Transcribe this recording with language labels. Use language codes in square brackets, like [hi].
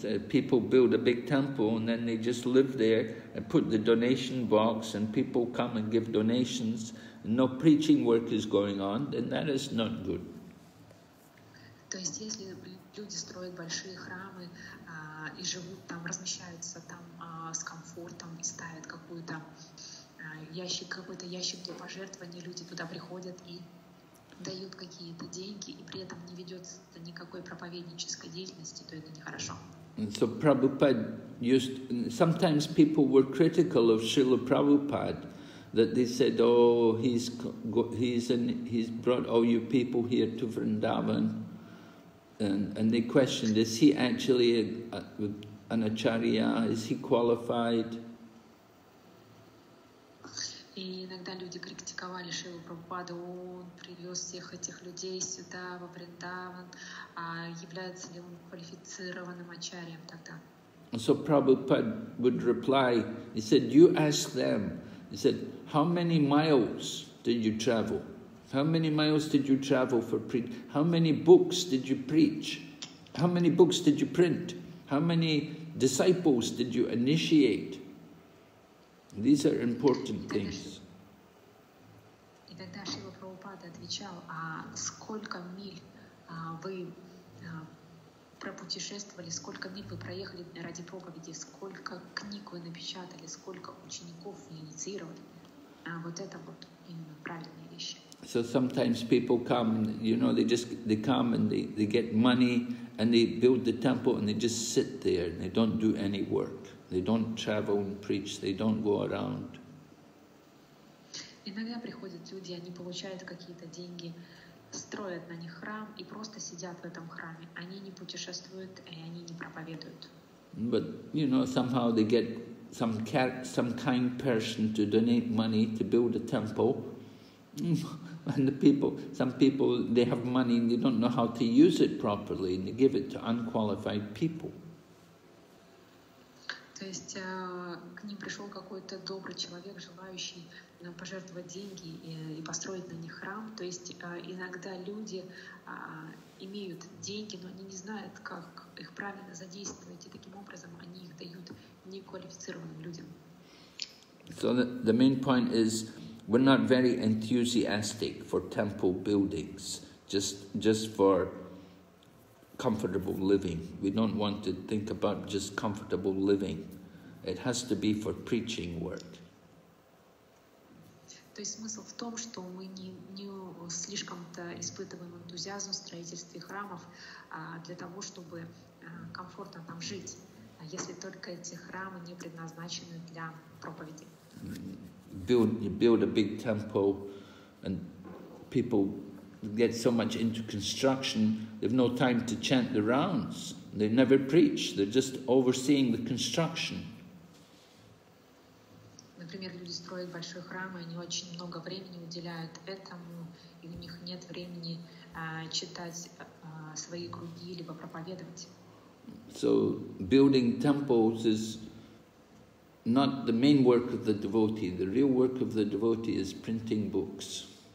[en] People build a big temple and then they just live there and put the donation box and people come and give donations. No preaching work is going on, then that is not good. [ru] То есть, если люди строят большие храмы и живут там, размещаются там с комфортом и ставят какой-то ящик для пожертвований, люди туда приходят и дают какие-то деньги, и при этом не ведется никакой проповеднической деятельности, то это нехорошо. [en] So Prabhupada used, sometimes people were critical of Srila Prabhupada, that they said, oh, he's brought all you people here to Vrindavan, and they questioned, is he actually an acharya, is he qualified? [ru] И иногда люди критиковали Шрилу Прабхупаду, он привез всех этих людей сюда, во Вриндаван, а является ли он квалифицированным ачарьем тогда? [en] So Prabhupada would reply, he said, you ask them, he said, how many miles did you travel? How many miles did you travel for preach? How many books did you preach? How many books did you print? How many disciples did you initiate? These are important things. [ru] И тогда Шрила Прабхупада отвечал, а сколько миль вы пропутешествовали, сколько миль вы проехали ради проповеди, сколько книг вы напечатали, сколько учеников вы инициировали. Вот это вот именно правильные вещи. [en] So sometimes people come, you know, they come and they get money and they build the temple and they just sit there and they don't do any work. They don't travel and preach, they don't go around. [ru] Иногда приходят люди, они получают какие-то деньги, строят на них храм и просто сидят в этом храме. Они не путешествуют и они не проповедуют. [en] But, you know, somehow they get some kind person to donate money to build a temple. And some people, they have money and they don't know how to use it properly and they give it to unqualified people. [ru] То есть к ним пришел какой-то добрый человек, желающий пожертвовать деньги и построить на них храм. То есть иногда люди имеют деньги, но они не знают, как их правильно задействовать, и таким образом они их дают неквалифицированным людям. [en] So the main point is, we're not very enthusiastic for temple buildings, just for comfortable living. We don't want to think about just comfortable living. It has to be for preaching work. [ru] То есть смысл в том, что мы не слишком-то испытываем энтузиазм в строительстве храмов для того, чтобы комфортно там жить, если только эти храмы не предназначены для проповеди. [en] You build a big temple and people get so much into construction, they've no time to chant the rounds. They never preach. They're just overseeing the construction. [ru] например, люди строят большой храм, и они очень много времени уделяют этому, и у них нет времени читать свои круги, либо проповедовать. [en] So building temples is not the main work of the devotee. The real work of the devotee is printing books.